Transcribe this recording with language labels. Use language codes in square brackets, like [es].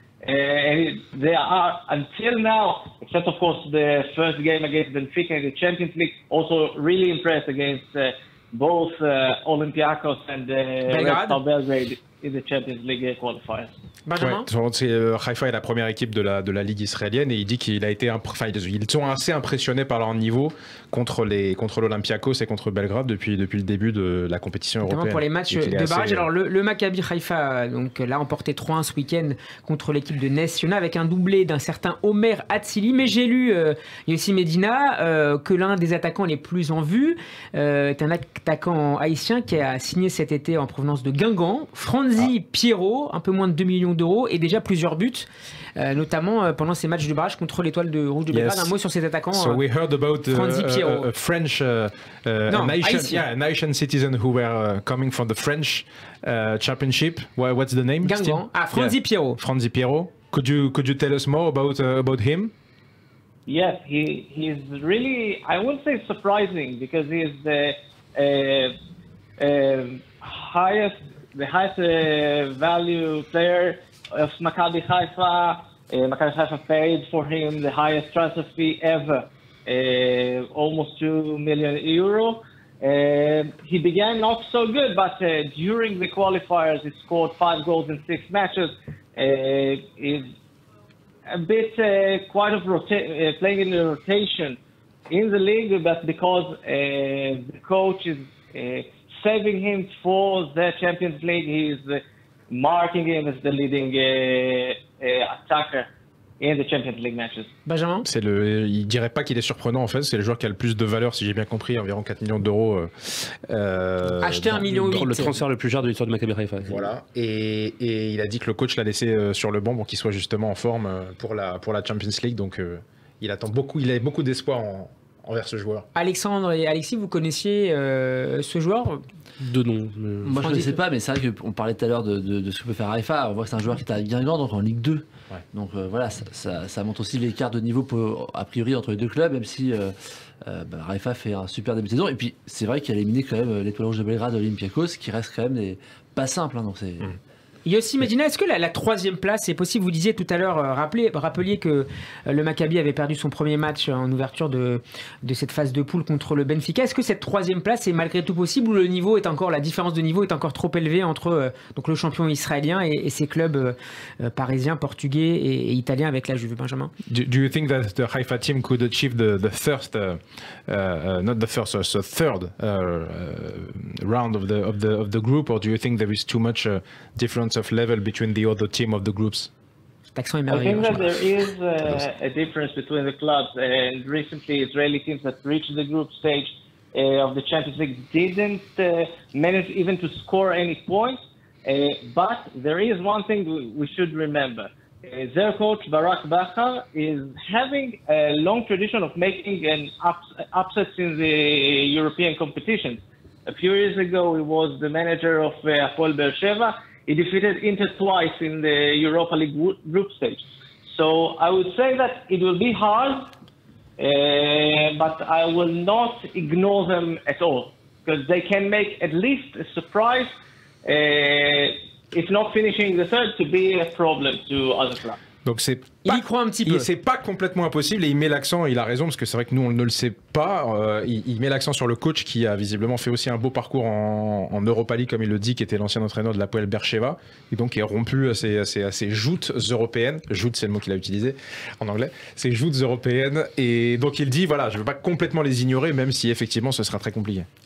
[en] And they are, until now, except of course the first game against Benfica in the Champions League, also really impressed against both Olympiacos and Belgrade in the Champions League qualifiers. [fr] Benjamin. Ouais, Haïfa est la première équipe de la Ligue israélienne et il dit qu'il a été ils sont assez impressionnés par leur niveau contre l'Olympiakos et contre Belgrade depuis le début de la compétition européenne. Pour les matchs de barrage, alors le Maccabi Haïfa donc l'a emporté 3-1 ce week-end contre l'équipe de Nesyona avec un doublé d'un certain Omer Atsili. Mais j'ai lu Yossi Medina que l'un des attaquants les plus en vue est un attaquant haïtien qui a signé cet été en provenance de Guingamp, Franzi Pierrot, un peu moins de 2 millions d'euros et déjà plusieurs buts, notamment pendant ces matchs de barrage contre l'Étoile de Rouge de Belgrade. [en] Yes. [fr] Un mot sur ces attaquants. [en] So we heard about Franzi Pierrot, a French Haitian citizen who were coming from the French championship. What's the name? Guingamp. Ah, Franzi Pierrot. Franzi Pierrot. Could you tell us more about him? Yes, he's really, I wouldn't say surprising because he is the highest value player of Maccabi Haifa. Maccabi Haifa paid for him the highest transfer fee ever, almost 2 million euro. He began not so good, but during the qualifiers he scored 5 goals in 6 matches. He's a bit quite of playing in the rotation in the league, but because the coach is saving him for the Champions League, he's marking him as the leading attacker in the Champions League matches. [fr] Benjamin, il dirait pas qu'il est surprenant en fait. C'est le joueur qui a le plus de valeur, si j'ai bien compris, environ 4 millions d'euros. Acheté 1,8 million. Le transfert le plus cher de l'histoire de Maccabi Haifa. Voilà. Et il a dit que le coach l'a laissé sur le banc pour qu'il soit justement en forme pour la Champions League. Donc il attend beaucoup. Il a beaucoup d'espoir envers ce joueur. Alexandre et Alexis, vous connaissiez ce joueur? De nom. Moi, je ne sais pas, mais c'est vrai qu'on parlait tout à l'heure de ce que peut faire Haïfa. On voit que c'est un joueur qui est à Guingamp, donc en Ligue 2. Ouais. Donc voilà, ça montre aussi l'écart de niveau, a priori, entre les deux clubs, même si Haïfa fait un super début de saison. Et puis, c'est vrai qu'il a éliminé quand même l'Étoile Rouge de Belgrade, Olympiakos, qui reste quand même pas simple. Hein, donc c'est... Mmh. Yossi Medina, est-ce que la troisième place est possible? Vous disiez tout à l'heure, rappeliez que le Maccabi avait perdu son premier match en ouverture de cette phase de poule contre le Benfica. Est-ce que cette troisième place est malgré tout possible ou la différence de niveau est encore trop élevée entre donc le champion israélien et ses clubs parisiens, portugais et italiens avec la Juve, Benjamin? [en] Do you think that the Haifa team could achieve the third round of the group, or do you think there is too much difference of level between the other team of the groups? I think that there is a difference between the clubs, and recently Israeli teams that reached the group stage of the Champions League didn't manage even to score any points. But there is one thing we should remember. Their coach, Barak Bachar, is having a long tradition of making an upset in the European competitions. A few years ago, he was the manager of Hapoel Be'er Sheva. He defeated Inter twice in the Europa League group stage. So I would say that it will be hard, but I will not ignore them at all, because they can make at least a surprise, if not finishing the third, to be a problem to other clubs. [fr] Donc c'est pas, il y croit un petit peu. C'est pas complètement impossible et il met l'accent, il a raison, parce que c'est vrai que nous on ne le sait pas, il met l'accent sur le coach qui a visiblement fait aussi un beau parcours en Europa League, comme il le dit, qui était l'ancien entraîneur de l'Hapoel Be'er Sheva, et donc qui a rompu ses joutes européennes, joutes c'est le mot qu'il a utilisé en anglais, ses joutes européennes, et donc il dit voilà, je ne veux pas complètement les ignorer, même si effectivement ce sera très compliqué.